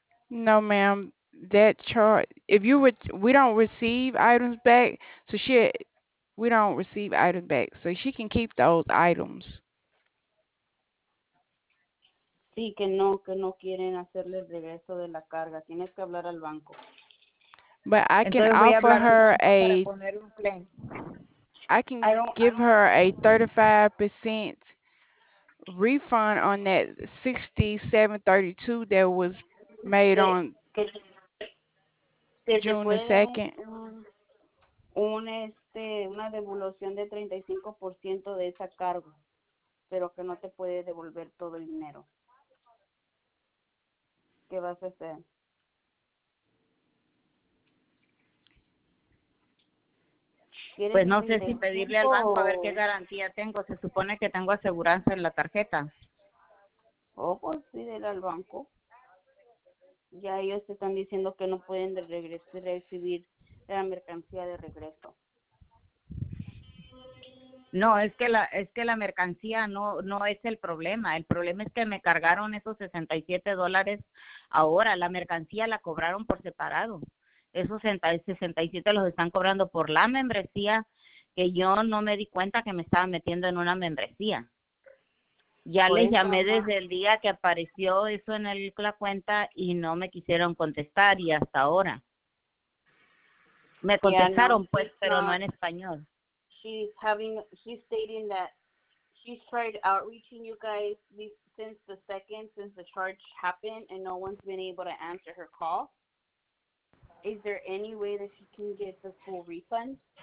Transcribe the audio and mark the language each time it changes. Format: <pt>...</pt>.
<en>No, ma'am, that charge, if you would, we don't receive items back, so we don't receive items back, so she can keep those items.</en> <es>Sí, que no quieren hacerle el regreso de la carga. Tienes que hablar al banco.</es> <en>But I can offer her a 35% refund on that $67.32 that was made on June 2nd.</en> <es>Una devolución de 35% de esa carga, pero que no te puede devolver todo el dinero. ¿Qué vas a hacer? Pues no sé si pedirle al banco a ver qué garantía tengo. Se supone que tengo aseguranza en la tarjeta. Pues pídele al banco. Ya ellos te están diciendo que no pueden recibir la mercancía de regreso. No, es que la mercancía no es el problema. El problema es que me cargaron esos $67 ahora. La mercancía la cobraron por separado. Esos 67 los están cobrando por la membresía, que yo no me di cuenta que me estaba metiendo en una membresía. Ya les llamé desde el día que apareció eso en la cuenta y no me quisieron contestar, y hasta ahora. Me contestaron, pues, pero no en español.</es> <en>She's stating that she's tried outreaching you guys since the charge happened, and no one's been able to answer her call. Is there any way that she can get the full refund?</en>